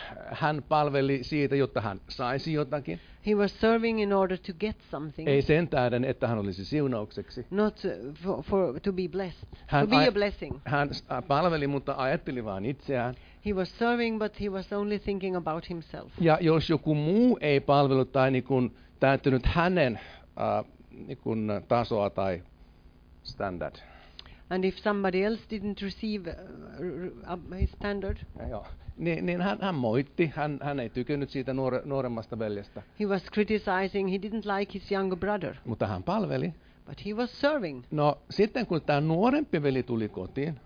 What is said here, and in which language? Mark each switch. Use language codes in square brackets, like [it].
[fi] Hän palveli siitä, jotta hän saisi jotakin. [en] He was serving in order to get something. [fi] Ei sen tähden, että hän olisi siunaukseksi. [en] Not for to be blessed. To be a blessing. [fi] Hän palveli, mutta ajatteli vain itseään. [en] He was serving, but he was only thinking about himself. [fi] Ja jos joku muu ei palvellut tai niin täyttynyt hänen niin tasoa tai standard. [en] And if somebody else didn't receive his standard. [fi] Joo. Niin hän moitti, hän ei tykännyt siitä nuoremmasta veljestä. [en] He was criticizing, he didn't like his younger brother. [fi] Mutta hän palveli. [en] But he was serving. [fi] No sitten kun tämä nuorempi veli tuli kotiin.